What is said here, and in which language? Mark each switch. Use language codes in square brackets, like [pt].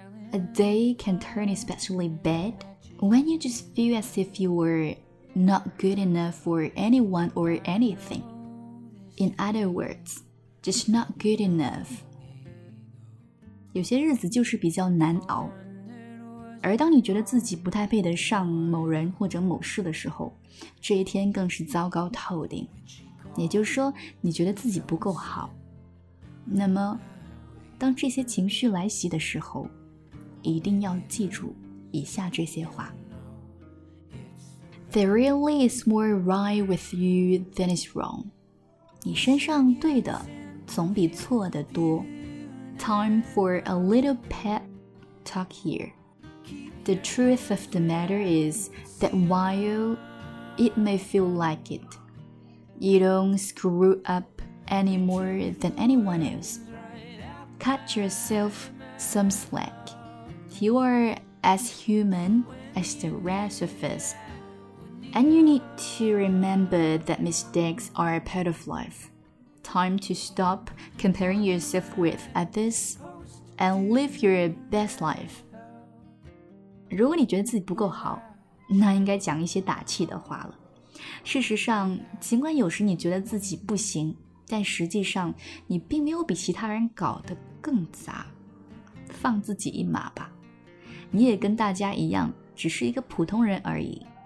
[en] A day can turn especially bad when you just feel as if you were not good enough for anyone or anything. In other words, just not good enough. [zh] 有些日子就是比较难熬，而当你觉得自己不太配得上某人或者某事的时候，这一天更是糟糕透顶。也就是说，你觉得自己不够好。那么当这些情绪来袭的时候，一定要记住以下这些话。 [en] There really is more right with you than is wrong. [zh] 你身上对的总比错的多。 [en] Time for a little pet talk here. The truth of the matter is that while it may feel like it, you don't screw upany more than anyone else. Cut yourself some slack. You are as human as the rest of us. And you need to remember that mistakes are a part of life. Time to stop comparing yourself with others and live your best life. [zh] 如果你觉得自己不够好，那应该讲一些打气的话了。事实上，尽管有时你觉得自己不行，但实际上你并没有比其他人搞得更杂，放自己一马吧，你也跟大家一样，只是一个普通人而已。